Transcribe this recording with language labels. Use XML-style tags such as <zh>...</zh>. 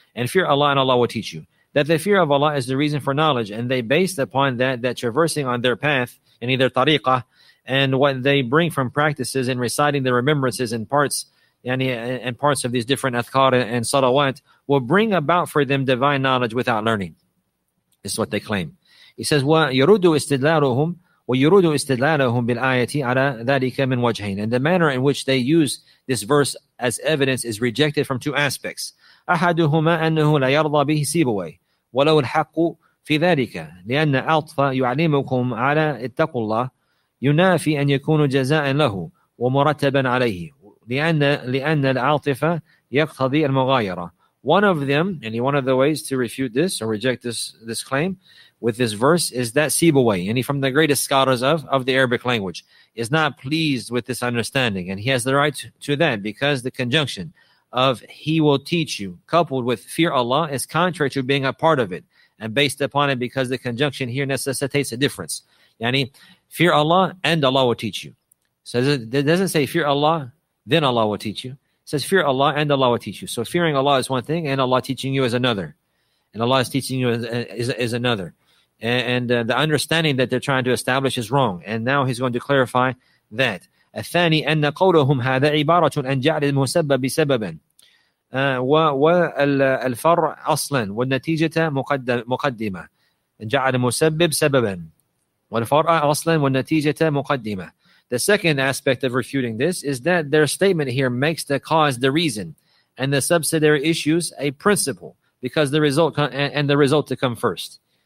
<en>And fear Allah and Allah will teach you. That the fear of Allah is the reason for knowledge, and they based upon that, that traversing on their path, in either tariqah, and what they bring from practices and reciting the remembrances and parts, and parts of these different adhkar and salawat, will bring about for them divine knowledge without learning. This is what they claim. He says,</en> <ar>وَيُرُدُوا إِسْتِدْلَالَهُمْ بِالْآيَةِ عَلَىٰ ذَلِكَ مِنْ وَجْهَيْنَ.</ar> <en>And the manner in which they use this verse as evidence is rejected from two aspects.</en> <ar>أَحَدُهُمَا أَنَّهُ لَا يَرْضَى بِهِ سِيبَوَيْ وَلَوْ الْحَقُّ فِي ذَلِكَ لِأَنَّ أَلْطَفَ يُعْلِمُكُمْ عَلَىٰ اتَّقُوا اللَّهِ يُنَافِي أَنْ يَكُونُ جَزَاءً لَهُ وَمُرَتَّبًا عَلَيْهِ لِأَنَّ الْعَاطِفَ يَقْتَضِي الْمُغَايَرَةِ.</ar> <en>One of them, any one of the ways to refute this or reject this claim with this verse is that Sibuway, and he from the greatest scholars of the Arabic language, is not pleased with this understanding, and he has the right to that because the conjunction of he will teach you coupled with fear Allah is contrary to being a part of it and based upon it, because the conjunction here necessitates a difference. Yani, fear Allah and Allah will teach you. So it doesn't say fear Allah, then Allah will teach you. It says fear Allah and Allah will teach you. So fearing Allah is one thing and Allah teaching you is another. And Allah is teaching you is another. And the understanding that they're trying to establish is wrong. And now he's going to clarify that.</en> <ar>الثاني أن قولهم هذا عبارة عن جعل المسبب سببا والفرع أصلا والنتيجة مقدمة جعل المسبب سببا والفرع أصلا والنتيجة مقدمة.</ar> <en>The second aspect of refuting this is that their statement here makes the cause the reason and the subsidiary issues a principle, because the result and the result to come first.</en>